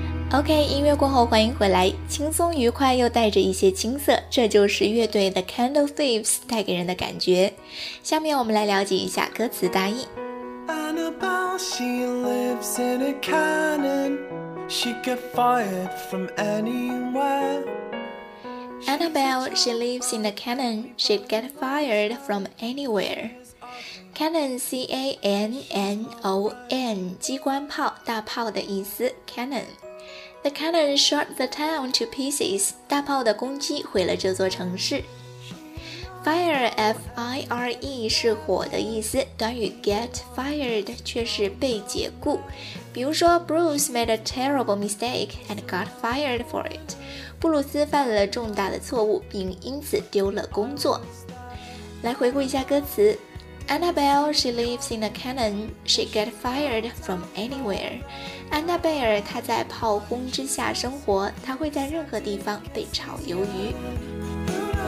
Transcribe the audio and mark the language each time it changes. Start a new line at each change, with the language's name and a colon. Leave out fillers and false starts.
Chinese: OK， 音乐过后欢迎回来，轻松愉快又带着一些青涩，这就是乐队 The Candle Thieves 带给人的感觉。下面我们来了解一下歌词大意。
English: Annabelle, she lives in a cannon. She got fired from anywhere. Annabelle, she lives in a cannon. She'd get fired from anywhere.
Chinese: Cannon, C-A-N-N-O-N, 机关炮、大炮的意思 ,Cannon.
English: The cannon shot the town to pieces.
Chinese: 大炮的攻击毁了这座城市。 Fire, F-I-R-E 是火的意思，短语 get fired 却是被解雇。比如说
English: Bruce made a terrible mistake and got fired for it.
Chinese: 布鲁斯犯了重大的错误并因此丢了工作。来回顾一下歌词。
English: Annabelle, she lives in a cannon. She get fired from anywhere.
Chinese: 安娜贝尔她在炮轰之下生活，她会在任何地方被炒鱿鱼。